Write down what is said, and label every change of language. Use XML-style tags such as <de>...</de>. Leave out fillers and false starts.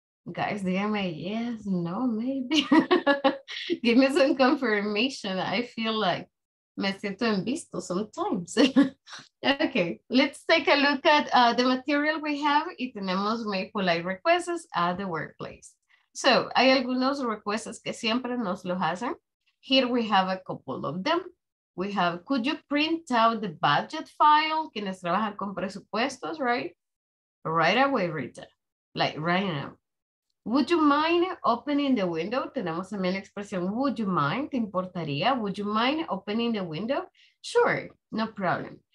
<en>Guys, DMA, yes, no, maybe. Give me some confirmation. I feel like</en> <es>me siento en visto</es> <en>sometimes. Okay, let's take a look at the material we have.</en> <es>Y tenemos muy</es> <en>polite requests at the workplace.</en> <es>So, hay algunos requests que siempre nos lo hacen.</es> <en>Here we have a couple of them. We have, could you print out the budget file?</en> <es>Quienes trabajan con presupuestos,</es> <en>right? Right away, Rita. Like right now. Would you mind opening the window?</en> <es>Tenemos también la expresión,</es> <en>would you mind?</en> <es>¿Te importaría?</es> <en>Would you mind opening the window? Sure, no problem.</en>